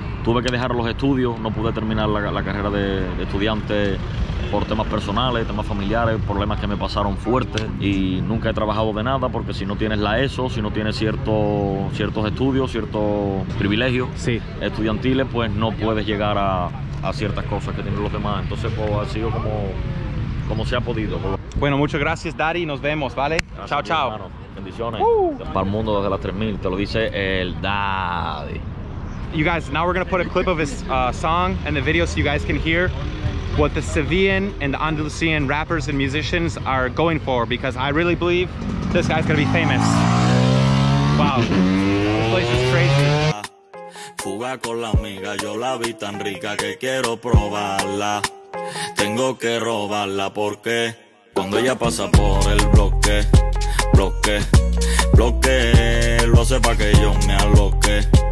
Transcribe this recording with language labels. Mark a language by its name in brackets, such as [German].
[Spanish] Tuve que dejar los estudios, no pude terminar la carrera de estudiante por temas personales, temas familiares, problemas que me pasaron fuertes, y nunca he trabajado de nada, porque si no tienes la ESO, si no tienes ciertos estudios, ciertos privilegios estudiantiles, pues no puedes llegar a ciertas cosas que tienen los demás. Entonces pues ha sido como se ha podido. Bueno, muchas gracias, Daddy, nos vemos, ¿vale? Gracias, chao, chao. Hermano. Bendiciones. Para el mundo desde las 3000, te lo dice el Daddy. [English] You guys, now we're gonna put a clip of his song and the video so you guys can hear what the Sevillan and the Andalusian rappers and musicians are going for, because I really believe this guy's gonna be famous. Wow. This place is crazy. [Spanish] Fuga con la amiga, yo la vi tan rica que quiero probarla. Tengo que robarla porque cuando ella pasa por el bloque, bloque, bloque, lo hace pa' que yo me aloque.